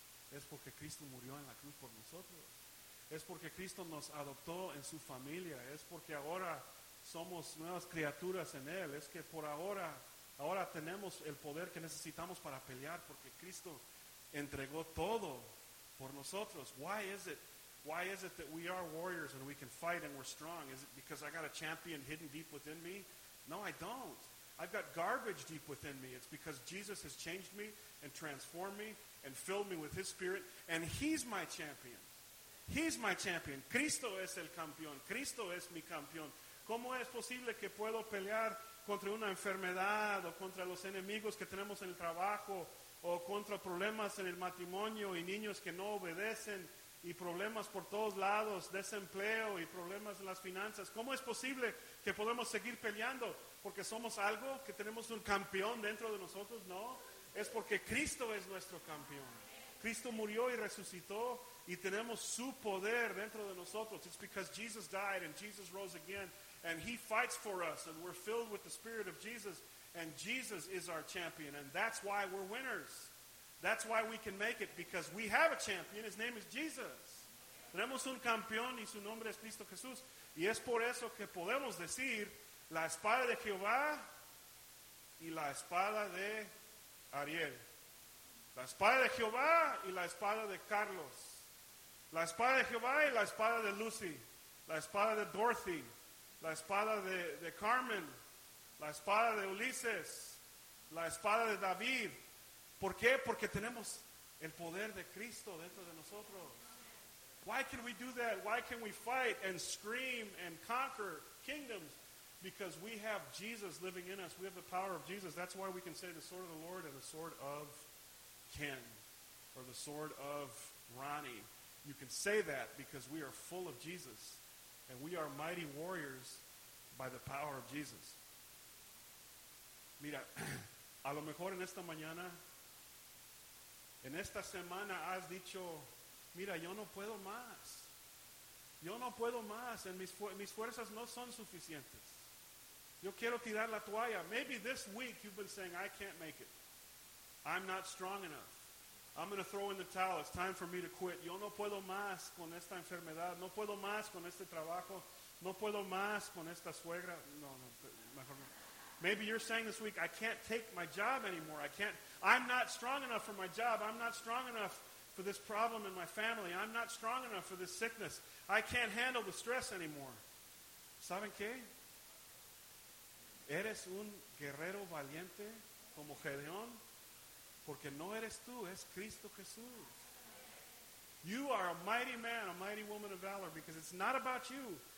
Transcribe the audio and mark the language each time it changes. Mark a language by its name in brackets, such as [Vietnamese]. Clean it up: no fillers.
[Spanish] Es porque Cristo murió en la cruz por nosotros. Es porque Cristo nos adoptó en su familia. Es porque ahora somos nuevas criaturas en Él. Es que por ahora, ahora tenemos el poder que necesitamos para pelear porque Cristo entregó todo por nosotros. [English] Why is it that we are warriors and we can fight and we're strong? Is it because I got a champion hidden deep within me? No, I don't. I've got garbage deep within me. It's because Jesus has changed me and transformed me and filled me with his spirit. And he's my champion. He's my champion. [Spanish] Cristo es el campeón. Cristo es mi campeón. ¿Cómo es posible que puedo pelear contra una enfermedad o contra los enemigos que tenemos en el trabajo o contra problemas en el matrimonio y niños que no obedecen y problemas por todos lados, desempleo y problemas en las finanzas? ¿Cómo es posible que podemos seguir peleando? ¿Porque somos algo? ¿Que tenemos un campeón dentro de nosotros? No, es porque Cristo es nuestro campeón. Cristo murió y resucitó y tenemos su poder dentro de nosotros. [English] It's because Jesus died and Jesus rose again and he fights for us and we're filled with the spirit of Jesus and Jesus is our champion and that's why we're winners. That's why we can make it, because we have a champion. His name is Jesus. [Spanish] Tenemos un campeón y su nombre es Cristo Jesús. Y es por eso que podemos decir la espada de Jehová y la espada de Ariel. La espada de Jehová y la espada de Carlos. La espada de Jehová y la espada de Lucy. La espada de Dorothy. La espada de Carmen. La espada de Ulises. La espada de David. ¿Por qué? Porque tenemos el poder de Cristo dentro de nosotros. [English] Why can we do that? Why can we fight and scream and conquer kingdoms? Because we have Jesus living in us. We have the power of Jesus. That's why we can say the sword of the Lord and the sword of Ken or the sword of Ronnie. You can say that because we are full of Jesus and we are mighty warriors by the power of Jesus. [Spanish] Mira, a lo mejor en esta mañana, en esta semana has dicho, mira, yo no puedo más. Yo no puedo más. En mis fuerzas no son suficientes. Yo quiero tirar la toalla. [English] Maybe this week you've been saying, I can't make it. I'm not strong enough. I'm going to throw in the towel. It's time for me to quit. [Spanish] Yo no puedo más con esta enfermedad. No puedo más con este trabajo. No puedo más con esta suegra. No, mejor no. [English] Maybe you're saying this week, I can't take my job anymore. I'm not strong enough for my job. I'm not strong enough for this problem in my family. I'm not strong enough for this sickness. I can't handle the stress anymore. [Spanish] ¿Saben qué? Eres un guerrero valiente como Gedeón, porque no eres tú, es Cristo Jesús. [English] You are a mighty man, a mighty woman of valor, because it's not about you.